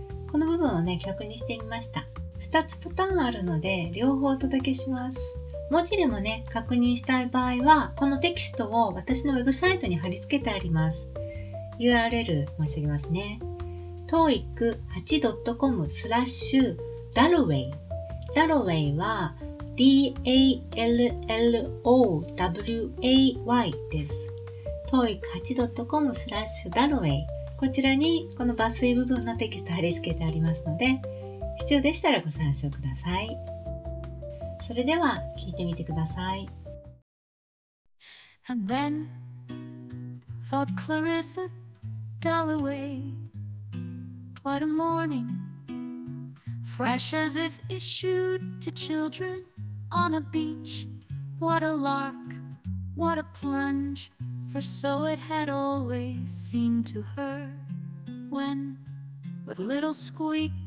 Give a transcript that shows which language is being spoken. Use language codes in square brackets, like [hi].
[ja] この部分をね、曲にしてみました。2つパターンあるので両方お届けします。文字でもね、確認したい場合はこのテキストを私のウェブサイトに貼り付けてあります。 URL 申し上げますね。 toeic8.com/dalloway。 dalloway は dallowayです。 toeic8.com/dalloway、 こちらにこの抜粋部分のテキスト貼り付けてありますので、必要でしたらご参照ください。それでは聞いてみてください。 [en] And then thought Clarissa Dalloway, what a morning, fresh as if issued to children on a beach, what a lark, what a plunge, for so it had always seemed to her, when with little squeak.